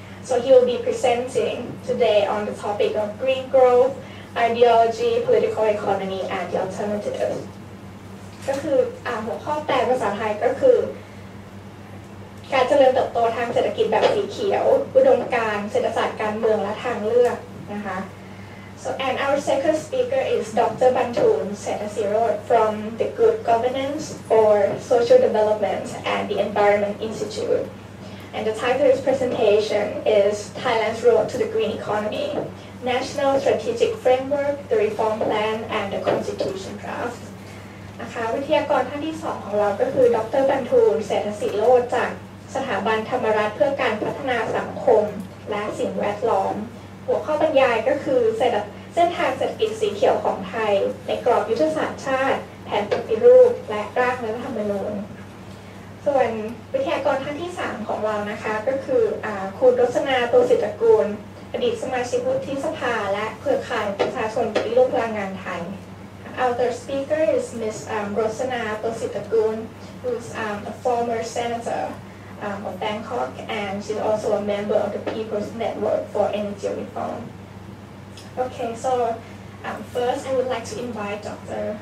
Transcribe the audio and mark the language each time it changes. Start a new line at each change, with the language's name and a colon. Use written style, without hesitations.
English: So he will be presenting today on the topic of green growth, ideology, political economy, and the alternative.
Thai: ก็คือหัวข้อแปลภาษาไทยก็คือการเจริญเติบโตทางเศรษฐกิจแบบสีเขียวอุดมการเศรษฐศาสตร์การเมืองและทางเลือกนะคะ
English: So, and our second speaker is Dr. Bantun Senasirot from the Good Governance for Social Development at the Environment Institute. And the title of his presentation is Thailand's Road to the Green Economy, National Strategic Framework, the Reform Plan, and the Constitution Draft.
Thai: นะคะ วิทยากรท่านที่สองของเราก็คือ Dr. Bantun Senasirot จากสถาบันธรรมรัฐเพื่อการพัฒนาสังคมและสิ่งแวดล้อมหัวข้อบรรยายก็คือเส้นทางเศรษฐกิจสีเขียวของไทยในกรอบยุทธศาสตร์ชาติแผนปฏิรูปและร่างรัฐธรรมนูญส่วนวิทยากรท่านที่3ของเรานะคะก็คือคุณรสนาโตสิทธกูล อดีตสมาชิกวุฒิสภาและเครือข่ายประชาชนปฏิรูปพลังงานไทย
English: Our speaker is Ms. Rosana Positagun, who's a former senator of Bangkok, and she's also a member of the People's Network for Energy Reform. Okay, so first I would like to invite Dr.